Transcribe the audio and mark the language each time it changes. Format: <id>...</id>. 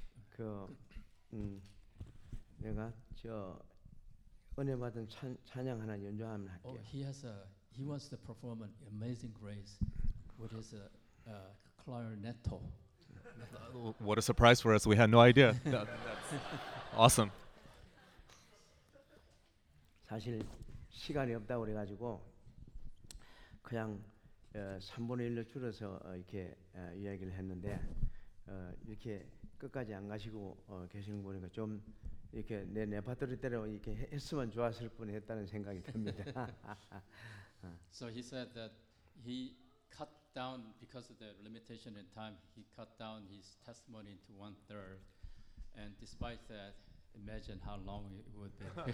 <ko>그 내가 저 은혜 받은 찬양 하나 연주하면 할게요.</ko> <en>Oh, he wants to perform an Amazing Grace with his clarinetto. What a surprise for us. We had no idea. Awesome.</en> <ko>사실 시간이 없다 그래 가지고 그냥 3분의 1로 줄여서 이렇게 이야기를 했는데 이렇게 끝까지 안 가시고 계시는 거 보니까 좀 이렇게 내 레퍼토리 때로 이렇게 했으면 좋았을 뿐 했다는 생각이 듭니다.</ko> <en>So he said that he cut down because of the limitation in time. He cut down his testimony into one third, and despite that, imagine how long it would be.</en>